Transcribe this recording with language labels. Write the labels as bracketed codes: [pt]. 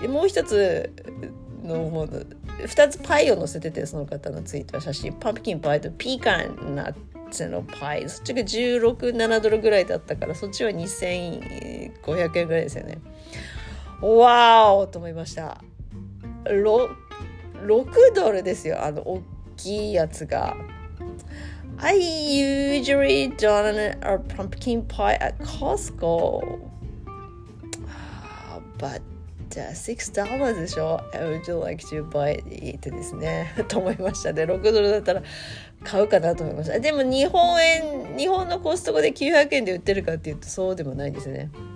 [ja] もう一つのもの、二つパイを載せてて、その方のツイートは写真、パンプキンパイとピーカンナッツのパイ、そっちが16、7ドルぐらいだったから、そっちは2500円ぐらいですよね。わーおと思いました。6ドルですよ、大きいやつが。 [en] I usually don't a pumpkin pie at Costco but $6 [ja] でしょ。 [en] I would like to buy it [ja] ですねと思いましたね。 6ドルだったら買うかなと思いました。でも日本のコストコで900円で売ってるかっていうと、そうでもないですね。